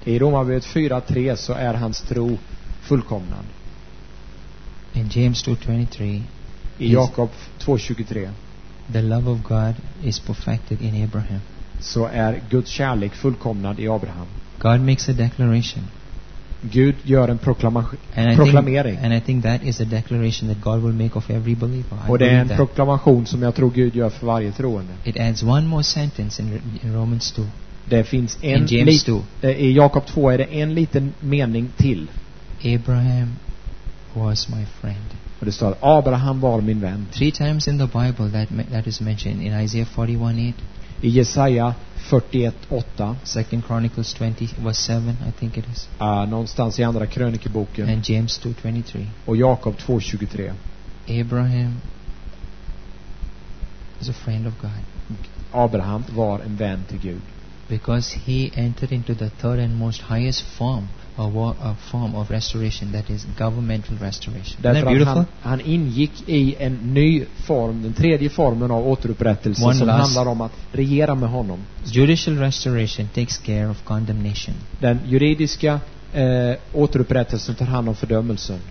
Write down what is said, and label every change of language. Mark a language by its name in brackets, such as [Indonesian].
[Swedish] I Romarbrevet 4:3 så är hans tro fullkomnad. [English] In James 2:23, [Swedish] i Jakob 2:23, [English] the love of God is perfected in Abraham. [Swedish] Så är Guds kärlek fullkomnad i Abraham. [English] God makes a declaration. [Swedish] Gud gör en proklamering. [English] And I think that is a declaration that God will make of every believer. [Swedish] Och det är en proklamation som jag tror Gud gör för varje troende. [English] It adds one more sentence in Romans 2. [Swedish] Det finns en i Jakob 2 är det en liten mening till. [English] Abraham was my friend. [Swedish] Och det står Abraham var min vän. [English] Three times in the Bible that is mentioned, in Isaiah 41:8. [Swedish] I Jesaja 41:8, [English] Second Chronicles 20:7, I think it is. [Swedish] Någonstans i andra krönikeboken. [English] And James 2:23. [Swedish] Och Jakob 2:23. [English] Abraham is a friend of God. [Swedish] Abraham var en vän till Gud. [English] Because he entered into the third and most highest form of restoration, that is governmental restoration. Isn't that beautiful? [Swedish] Han ingick i en ny form, den tredje formen av återupprättelse. [English] One [Swedish] som [English] last. [Swedish] Handlar om att regera med honom. [English] Judicial restoration takes care of condemnation. [Swedish] Den juridiska återupprättelsen tar hand om fördömelsen.